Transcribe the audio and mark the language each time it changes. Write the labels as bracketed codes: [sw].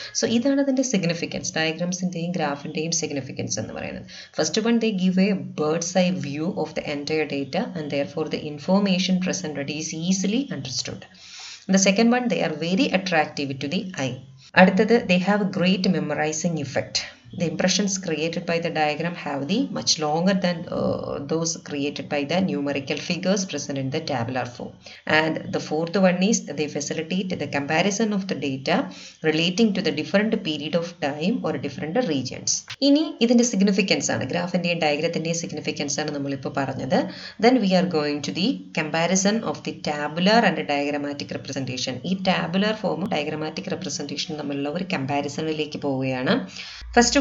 [ml] So ഇതാണ് അതിൻ്റെ significance, ഡയഗ്രാംസിൻ്റെയും ഗ്രാഫിൻ്റെയും significance എന്ന് പറയുന്നത്. [en] First one, they give a bird's eye view of the entire data and therefore the information presented is easily understood. The second one, they are very attractive to the eye. [ml] അടുത്തത്, [en] They have a great memorising effect. The impressions created by the diagram have the much longer than those created by the numerical figures present in the tabular form. And the fourth one is they facilitate the comparison of the data relating to the different period of time or different regions. [ml] ഇനി ഇതിന്റെ significance ആണ്, ഗ്രാഫിന്റെയും ഡയഗ്രത്തിന്റെയും significance ആണ് നമ്മൾ ഇപ്പോൾ പറഞ്ഞത്. [en] Then we are going to the comparison of the tabular and diagrammatic representation. [ml] ഈ tabular ഫോമും diagrammatic റെപ്രസെൻറ്റേഷനും തമ്മിലുള്ള ഒരു കമ്പാരിസണിലേക്ക് പോവുകയാണ്. ഫസ്റ്റ്